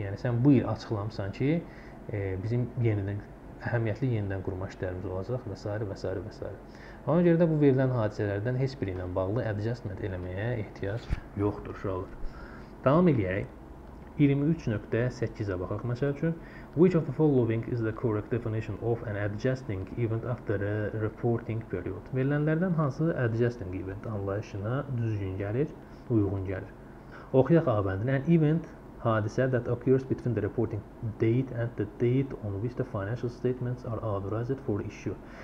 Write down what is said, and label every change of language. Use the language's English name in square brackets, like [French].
[Azerbaijani] Yəni, sən bu il açıqlamsan ki, bizim əhəmiyyətli yenidən qurma işlərimiz olacaq və s. və s. və s. Ona görə də bu verilən hadisələrdən heç biri ilə bağlı adjustment eləməyə ehtiyac yoxdur. Davam edək. 23.8-ə baxaq məsəl üçün. [English] Which of the following is the correct definition of an adjusting event after a reporting period? [Azerbaijani] Verilənlərdən hansı adjusting event anlayışına düzgün gəlir, uyğun gəlir? Oxuyaq abəndin. [English] An event hadisə that occurs between the reporting date and the date on which the financial statements are authorized for issue.